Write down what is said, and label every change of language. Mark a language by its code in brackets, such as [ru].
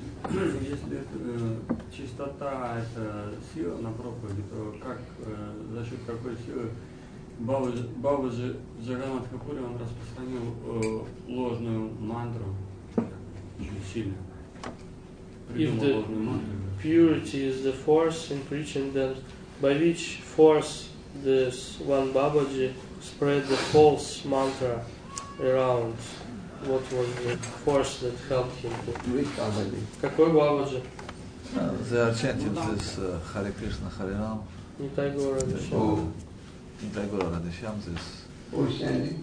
[ru] Если чистота – это сила на проповеди, то как, за счет какой силы Бабаджи Джаганнат Хапури он распространил ложную мантру, очень сильно придумал ложную мантру. [en] Purity is the force in preaching, then by which force this one Бабаджи spread the false mantra around? What was the force that helped him to... [ru] Какой Бабаджи? [en] They are chanting this Hare Krishna, Hare Ram. [ru] Нитайгора Радишьям. [en] Нитайгора Радишьям, this...